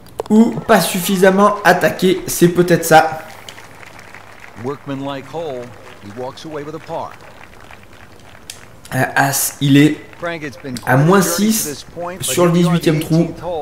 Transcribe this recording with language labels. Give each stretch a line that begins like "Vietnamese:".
French: Ou pas suffisamment attaqué, c'est peut-être ça.
English: Workmanlike hole, he walks away with a par.
French: As il est à moins 6 sur le 18e trou.